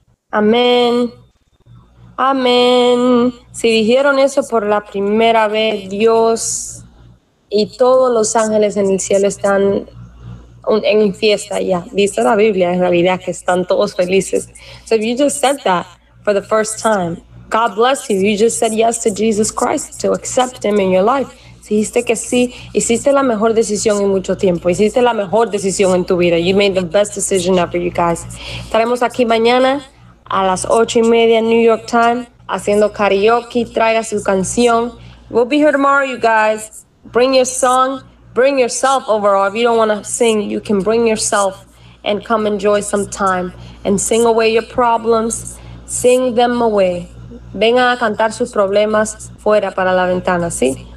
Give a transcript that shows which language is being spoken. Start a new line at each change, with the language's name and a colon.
Spanish: Amén. Amén. Si dijeron eso por la primera vez, Dios y todos los ángeles en el cielo están en fiesta ya. Dice la Biblia en realidad que están todos felices.
English: So if you just said that for the first time, God bless you. You just said yes to Jesus Christ, to accept him in your life.
Spanish: Si dijiste que sí, hiciste la mejor decisión en mucho tiempo. Hiciste la mejor decisión en tu vida.
English: You made the best decision ever, you guys.
Spanish: Estaremos aquí mañana a las 8:30 New York time, haciendo karaoke, traiga su canción.
English: We'll be here tomorrow, you guys. Bring your song, bring yourself overall. If you don't want to sing, you can bring yourself and come enjoy some time and sing away your problems. Sing them away.
Spanish: Venga a cantar sus problemas fuera para la ventana, ¿sí?